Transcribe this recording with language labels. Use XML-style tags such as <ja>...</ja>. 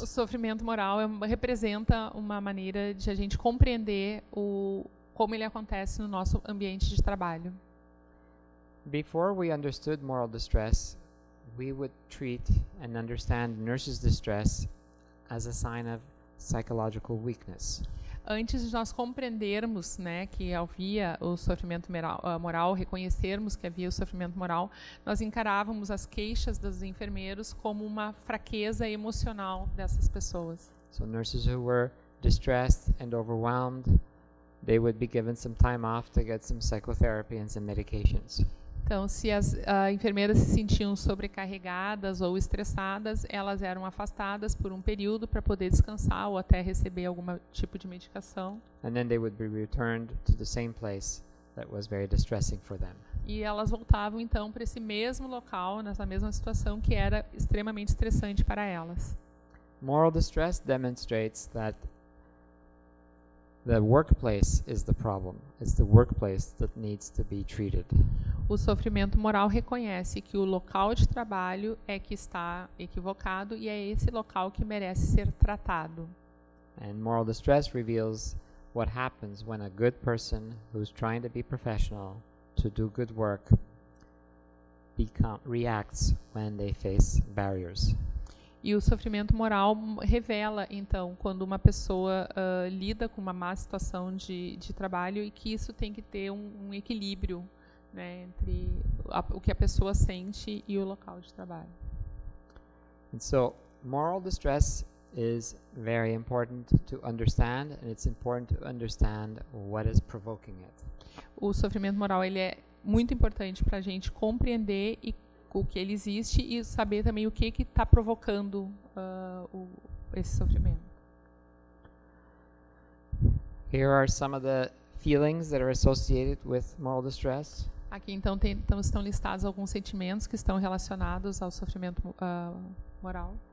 <pt>O sofrimento moral representa uma maneira de a gente compreender como ele acontece no nosso ambiente de trabalho.</pt> <en>Before we understood moral distress, we would treat and understand nurses' distress as a sign of psychological weakness.</en> <pt>antes de nós compreendermos, né, que havia o sofrimento moral, reconhecermos que havia o sofrimento moral, nós encarávamos as queixas dos enfermeiros como uma fraqueza emocional dessas pessoas.</pt> <en>So nurses who were distressed and overwhelmed, they would be given some time off to get some psychotherapy and some medications.</en> <pt>Então, se as enfermeiras se sentiam sobrecarregadas ou estressadas, elas eram afastadas por um período para poder descansar ou até receber algum tipo de medicação.</pt> <en>And then they would be returned to the same place that was very distressing for them.</en> <pt>E elas voltavam então para esse mesmo local, nessa mesma situação que era extremamente estressante para elas.</pt> <en>Moral distress demonstrates that the workplace is the problem. It's the workplace that needs to be treated.</en> <pt>O sofrimento moral reconhece que o local de trabalho é que está equivocado e é esse local que merece ser tratado.</pt> <en>And moral distress reveals what happens when a good person who's trying to be professional to do good work reacts when they face barriers.</en> <pt>E o sofrimento moral revela, então, quando uma pessoa lida com uma má situação de trabalho e que isso tem que ter um equilíbrio, né, entre o que a pessoa sente e o local de trabalho.</pt> <en>And so, moral distress is very important to understand, and it's important to understand what is provoking it.</en> <pt>O sofrimento moral, ele é muito importante para a gente compreender e o que ele existe e saber também o que está provocando esse sofrimento.</pt> <en>Here are some of the feelings that are associated with moral distress.</en> <pt>Aqui então estão listados alguns sentimentos que estão relacionados ao sofrimento moral.</pt>